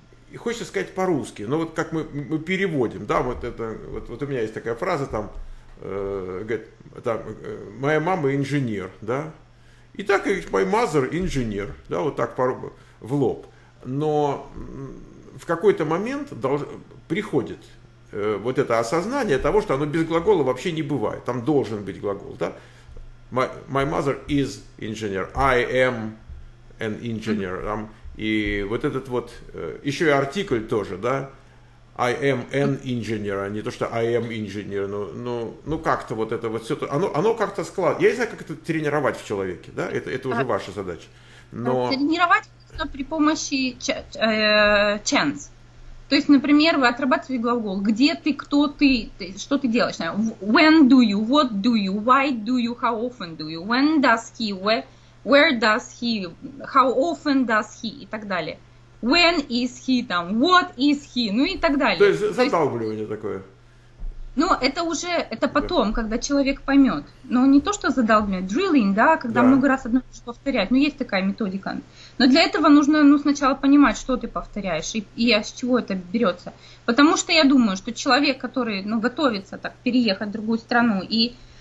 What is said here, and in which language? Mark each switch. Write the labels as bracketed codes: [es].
[ru] И хочется сказать по-русски, но вот как мы переводим, да, вот это, вот у меня есть такая фраза там, говорит, там, моя мама инженер, да, и так, [en] my mother [ru] инженер, да, вот так в лоб. Но в какой-то момент приходит вот это осознание того, что оно без глагола вообще не бывает, там должен быть глагол, да. [en] My mother is [ru] инженер, [en] I am an engineer, [ru] там. И вот этот вот, еще и артикль тоже, да, [en] I am an engineer, [ru] а не то, что [en] I am engineer, [ru] ну как-то вот это вот все, оно как-то складывается. Я не знаю, как это тренировать в человеке, да, это уже ваша задача. Но... Тренировать при помощи chance. То есть, например, вы отрабатываете глагол, где ты, кто ты, что ты делаешь, [en] when do you, what do you, why do you, how often do you, when does he, where does he, how often does he, [ru] и так далее. [en] When is he [ru] там, [en] what is he, [ru] ну и так далее. То есть задалбливание такое. Ну, это потом, да. Когда человек поймет. Но не то, что задалбливание, drilling, да, когда да. Много раз одно и то же повторять. Ну, есть такая методика. Но для этого нужно, ну, сначала понимать, что ты повторяешь и с чего это берется. Потому что я думаю, что человек, который, ну, готовится так переехать в другую страну и...